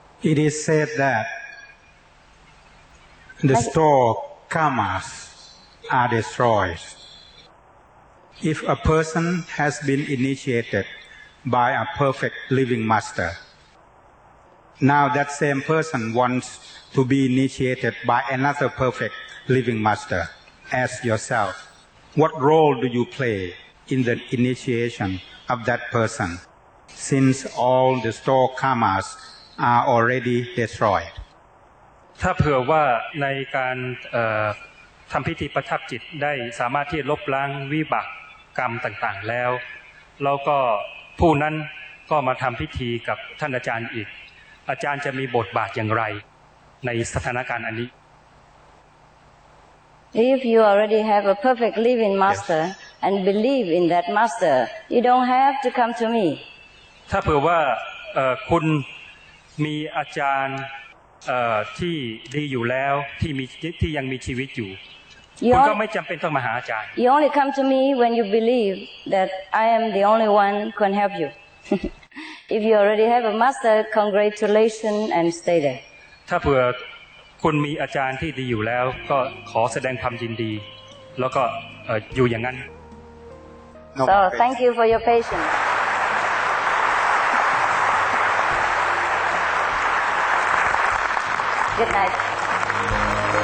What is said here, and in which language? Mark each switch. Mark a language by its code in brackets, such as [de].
[en] It is said that the store karmas are destroyed if a person has been initiated by a perfect living masterNow that same person wants to be initiated by another perfect living master as yourself. What role do you play in the initiation of that person since all the stored karmas are already destroyed? [th] ถ้าเผื่อว่าในการทำพิธีประทับจิตได้สามารถที่ลบล้างวิบากกรรมต่างๆแล้วแล้วก็ผู้นั้นก็มาทำพิธีกับท่านอาจารย์อีกอาจารย์จะมีบทบาทอย่างไรในสถานการณ์อันนี้ [en] If you already have a perfect living master yes. and believe in that master you don't have to come to me [th] ถ้าเผื่อว่าคุณมีอาจารย์ที่ดีอยู่แล้วที่ยังมีชีวิตอยู่ คุณก็ไม่จำเป็นต้องมาหาอาจารย์ [en] You only come to me when you believe that I am the only one who can help youIf you already have a master, congratulations and stay there. [th] ถ้าเผื่อคุณมีอาจารย์ที่ดีอยู่แล้วก็ขอแสดงความยินดีแล้วก็อยู่อย่างนั้น [en] So thank you for your patience. Good night.